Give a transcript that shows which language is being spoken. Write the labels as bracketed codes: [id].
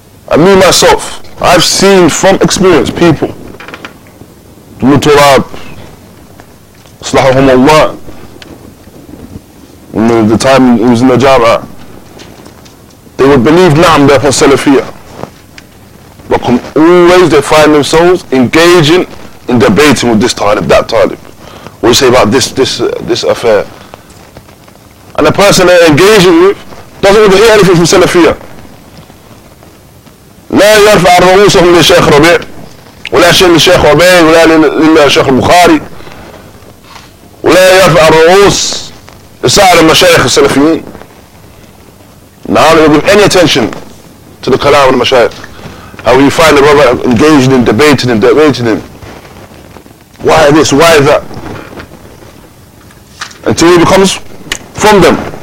[en] And me myself, I've seen from experience people, Muturab, Aslahahumullah, in the time he was in the Jama, they would believe Naam, they're from Salafiyya. But always they find themselves engaging in debating with this Talib, that Talib. What do you say about this affair? And the person they're engaging with doesn't even hear anything from Salafiyya. [ar] لا يرفع رؤوسهم للشيخ ربيع ولا شيء للشيخ ربيع ولا للشيخ البخاري ولا يرفع رؤوس لسائر المشايخ السلفيين. [en] Now they don't give any attention to the kalam of the mashayikh. How you find the brother engaged in debating him. Why this? Why that? Until he becomes from them.